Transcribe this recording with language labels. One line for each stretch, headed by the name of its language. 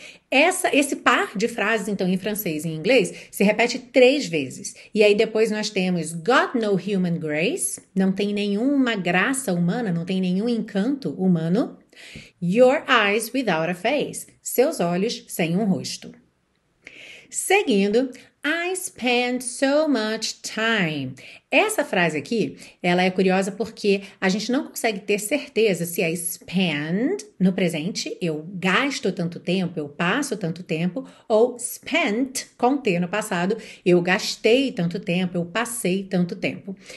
Portuguese: Esse par de frases, então, em francês e em inglês, se repete 3 vezes. E aí depois nós temos
English: got no human grace,
Portuguese: não tem nenhuma graça humana, não tem nenhum encanto humano.
English: Your eyes without a face,
Portuguese: seus olhos sem um rosto. Seguindo,
English: I spend so much time.
Portuguese: Essa frase aqui, ela é curiosa porque a gente não consegue ter certeza se é spend no presente, eu gasto tanto tempo, eu passo tanto tempo, ou spent com T no passado, eu gastei tanto tempo, eu passei tanto tempo.